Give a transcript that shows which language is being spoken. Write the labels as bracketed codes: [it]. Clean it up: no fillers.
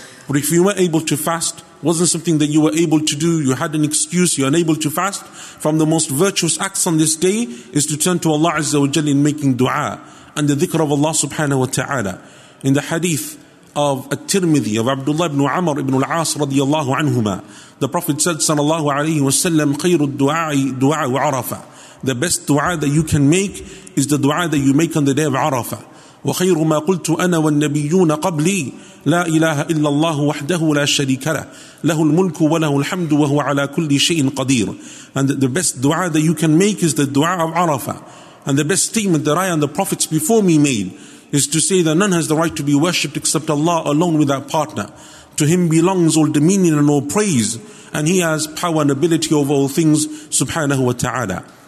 [en] But if you were able to fast, wasn't something that you were able to do, you had an excuse, you're unable to fast, from the most virtuous acts on this day is to turn to Allah Azza wa Jalla in making dua and the dhikr of Allah subhanahu wa ta'ala. In the hadith of At-Tirmidhi, of Abdullah ibn Amr ibn al-As radiyallahu anhuma, the Prophet said sallallahu alayhi wa sallam, [ar] khayru du'a'i du'a'i wa arafa. [en] The best dua that you can make is the dua that you make on the day of Arafah. [ar] وخير ما قلت أنا والنبيون قبلي لا إله إلا الله وحده لا شريك له له الملك وله الحمد وهو على كل شيء قدير. [en] And the best dua that you can make is the dua of Arafah. And the best statement that I and the prophets before me made is to say that none has the right to be worshipped except Allah alone without partner. To him belongs all dominion and all praise, and he has power and ability over all things subhanahu wa ta'ala.